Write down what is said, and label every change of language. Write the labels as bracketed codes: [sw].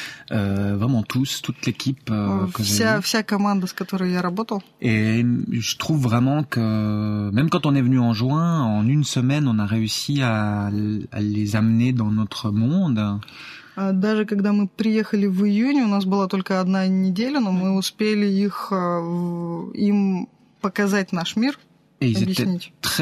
[fr] Vraiment tous, toute l'équipe. [ru] Вся команда, с которой я работал. [fr] Et je trouve vraiment que même quand on est venu en juin, en une semaine, on a réussi à les amener dans notre monde. [ru] Даже когда мы приехали в июне, у нас была только одна неделя, но мы успели им показать наш мир, объяснить.